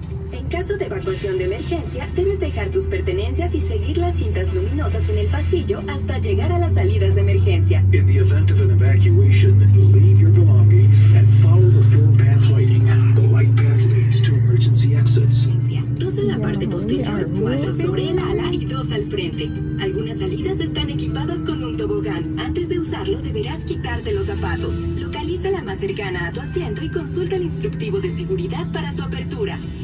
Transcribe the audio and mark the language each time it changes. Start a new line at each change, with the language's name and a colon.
Spanish: En caso de evacuación de emergencia, debes dejar tus pertenencias y seguir las cintas luminosas en el pasillo hasta llegar a las salidas de emergencia.
English: In the event of an evacuation, leave your belongings and follow the four path lighting. The light path leads to emergency exits.
Spanish: Dos en la parte posterior, cuatro sobre el ala y dos al frente. Algunas salidas están equipadas con un tobogán. Antes de usarlo, deberás quitarte los zapatos. Localiza la más cercana a tu asiento y consulta el instructivo de seguridad para su apertura.